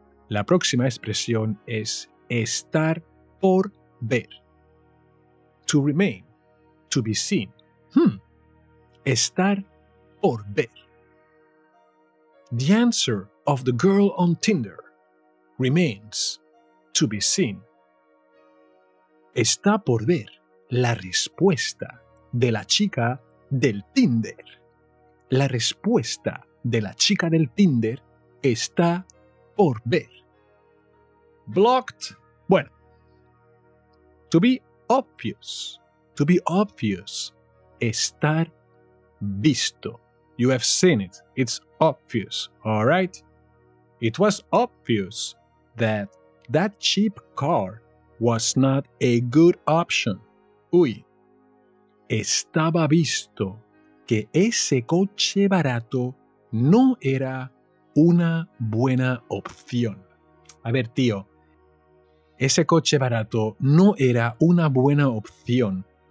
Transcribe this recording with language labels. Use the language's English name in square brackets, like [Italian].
[Spanish] la próxima expresión es estar por ver. [English] To remain, to be seen. [Spanish] Estar por ver. [English] The answer of the girl on Tinder remains to be seen. [Spanish] Está por ver la respuesta de la chica del Tinder. La respuesta de la chica del Tinder está por ver. [English] Blocked. [Spanish] Bueno. [English] To be obvious. To be obvious. [Spanish] Estar visto. [English] You have seen it. It's obvious. All right? It was obvious that that cheap car was not a good option. Uy. [Spanish] Estaba visto que ese coche barato no era una buena opción. A ver, tío. Ese coche barato no era una buena opción.